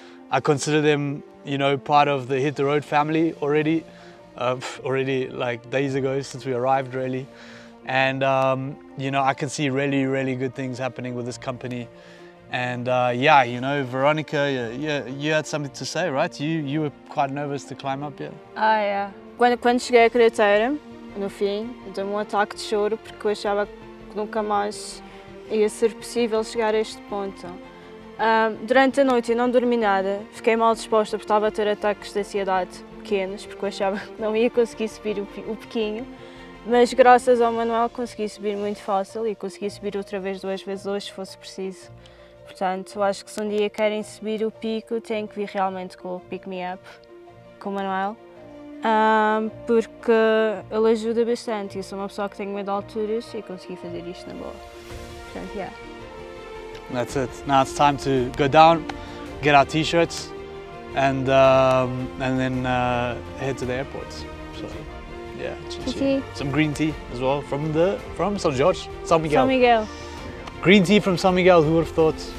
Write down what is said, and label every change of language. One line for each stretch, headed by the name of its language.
English: I consider them, you know, part of the Hit the Road family already, already like days ago since we arrived, really. And you know, I can see really, really good things happening with this company. And yeah, you know, Veronica, you had something to say, right? You were quite nervous to climb up here. Ah, yeah.
Portuguese: Quando cheguei à crateira, no fim, deu-me um ataque de choro porque eu achava que nunca mais ia ser possível chegar a este ponto. Durante a noite eu não dormi nada, fiquei mal disposta porque estava a ter ataques de ansiedade pequenos porque eu achava que não ia conseguir subir o pequeno. Mas graças ao Manuel consegui subir muito fácil e consegui subir outra vez duas vezes hoje, se fosse preciso. Portanto, acho que se um dia querem subir o pico, têm que vir realmente com o PicoMeUp, com o Manuel. Porque ele ajuda bastante. Eu sou uma pessoa que tenho medo de alturas e consegui fazer isto na boa. Portanto,
English: yeah. That's it. Now it's time to go down, get our t-shirts, and then head to the airport. So, yeah, tea. Some green tea as well from São Jorge, São Miguel. São Miguel. Green tea from São Miguel, who would have thought?